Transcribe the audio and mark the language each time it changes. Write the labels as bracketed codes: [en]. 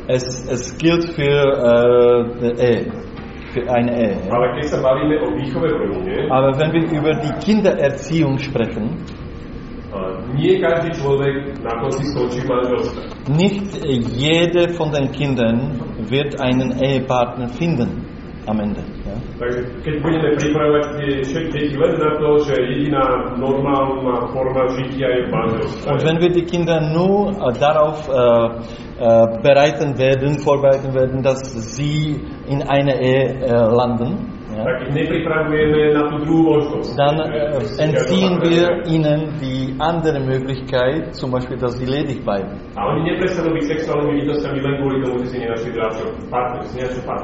[de] Es gilt für für eine Ehe. [sk] Ale keď sa bavíme o výchove v rodine, [de] aber wenn wir über die Kindererziehung sprechen, [sk] nie každý človek na konci skončí v manželstve. [de] Nicht jede von den Kindern wird einen Ehepartner finden am Ende. Ja? [sk] Takže keď budeme pripravovať deti len na to, že jediná normálna forma žitia je manželstvo. [de] Und wenn wir die Kinder nur darauf vorbereiten werden, dass sie in einer Ehe landen, ja? [sk] Tak ich nepripravujeme na tú druhú možnosť. [de] Dann entziehen wir ihnen die andere Möglichkeit, zum Beispiel, dass sie ledig bleiben. [sk] A oni neprestanú byť sexuálnymi bytostiami len kvôli tomu, že si nie našli dračo, partner, si nie našli partner.